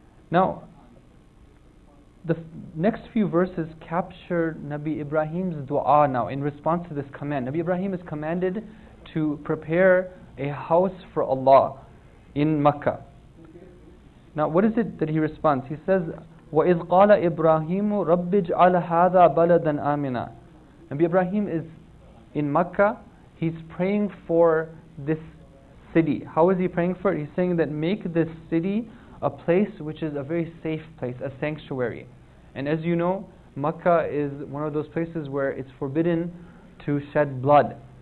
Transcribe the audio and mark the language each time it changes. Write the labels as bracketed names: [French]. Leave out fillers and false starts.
[English] Now, the next few verses capture Nabi Ibrahim's dua now in response to this command. Nabi Ibrahim is commanded to prepare a house for Allah in Makkah. Now what is it that he responds? He says, [Arabic] وَإِذْ قَالَ إِبْرَاهِيمُ رَبِّ اجْعَلَ هَذَا بَلَدًا آمِنًا. [English] Nabi Ibrahim is in Makkah. He's praying for this city. How is he praying for it? He's saying that make this city a place which is a very safe place, a sanctuary. And as you know, Makkah is one of those places where it's forbidden to shed blood.